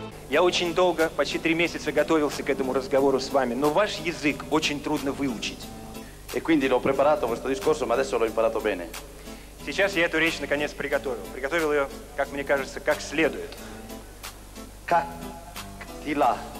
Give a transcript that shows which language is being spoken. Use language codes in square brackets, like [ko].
[ru] Я очень долго, почти 3 месяца, готовился к этому разговору с вами, но ваш язык очень трудно выучить. [it] E quindi l'ho preparato questo discorso, ma adesso l'ho imparato bene. [ru] Сейчас я эту речь наконец приготовил. Приготовил ее, как мне кажется, как следует. Как дела?